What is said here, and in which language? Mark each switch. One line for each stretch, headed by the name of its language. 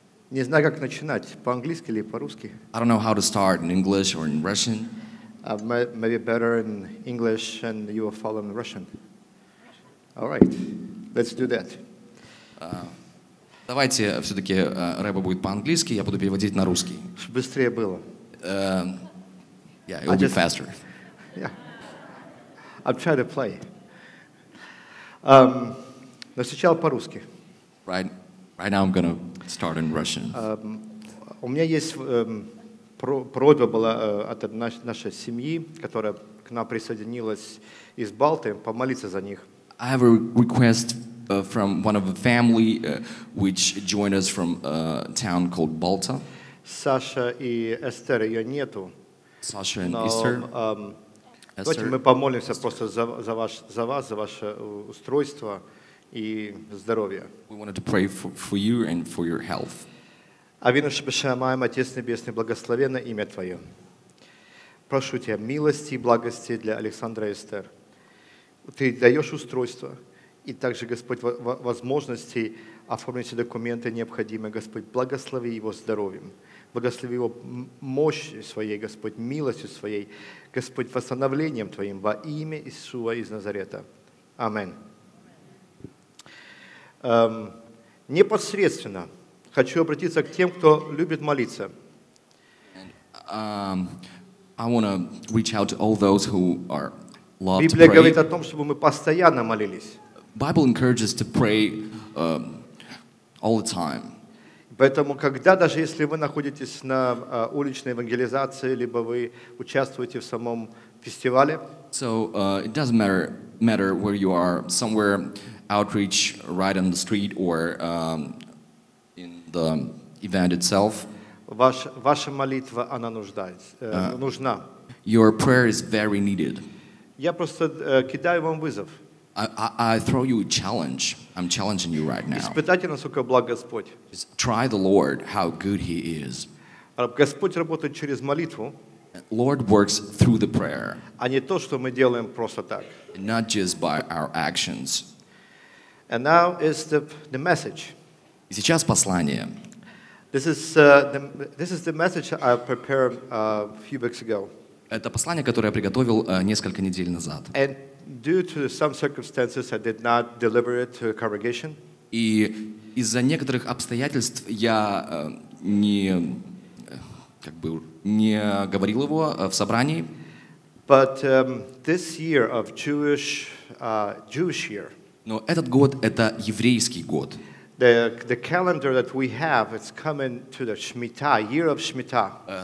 Russian: Не знаю, как начинать, по-английски или по-русски.
English: I don't know how to start in English or in Russian. Maybe better in English and you will follow in Russian. All right, let's do that.
Russian: Давайте все-таки Рэба будет по-английски, я буду переводить на русский. Чтобы быстрее было.
English: Yeah, it will be faster. Yeah. I'll try to play.
Russian: Но сначала по-русски.
English: Right now I'm going to start in Russian.
Russian: У меня есть просьба была от нашей семьи, которая к нам присоединилась из Балты, помолиться за них.
English: I have a request from one of the family which joined us from a town called Balta.
Russian: Саша и Эстер, ее нету. Саша и Эстер. Давайте мы помолимся Esther. Просто за вас, за ваше устройство и здоровье.
English: We wanted to pray for you and for your health.
Russian: Авину Шабашамаем, Отец Небесный, благословенно имя Твое. Прошу Тебя милости и благости для Александра и Эстер. Ты даешь устройство и также, Господь, возможности оформить документы необходимые. Господь, благослови его здоровьем. Благослови его мощью своей, Господь, милостью своей, Господь, восстановлением Твоим во имя Иисуса из Назарета. Амин. Непосредственно хочу обратиться к тем, кто любит молиться.
English: I want to reach out to all those who are love to pray.
Russian: Библия говорит о том, чтобы мы постоянно молились.
English: Bible encourages to pray all the time.
Russian: Поэтому, когда даже если вы находитесь на уличной евангелизации, либо вы участвуете в самом фестивале,
English: so it doesn't matter where you are, somewhere outreach, right on the street, or in the event itself.
Russian: Ваша молитва, она нужна.
English: Your prayer is very needed.
Russian: Я просто кидаю вам вызов.
English: I throw you a challenge. I'm challenging you right now.
Russian: Испытайте, насколько благ Господь.
English: Just try the Lord, how good He is.
Russian: Господь работает через молитву.
English: Lord works through the prayer.
Russian: А не то, что мы делаем просто так.
English: Not just by our actions. And now is the message.
Russian: И сейчас послание.
English: This is the message I prepared a few weeks ago.
Russian: Это послание, которое я приготовил несколько недель назад.
English: And due to some circumstances, I did not deliver it to the congregation.
Russian: И из-за некоторых обстоятельств я не говорил его в собрании.
English: But this year of Jewish year.
Russian: Но этот год это еврейский год.
English: The calendar that we have, it's coming to the Shemitah, year of Shemitah.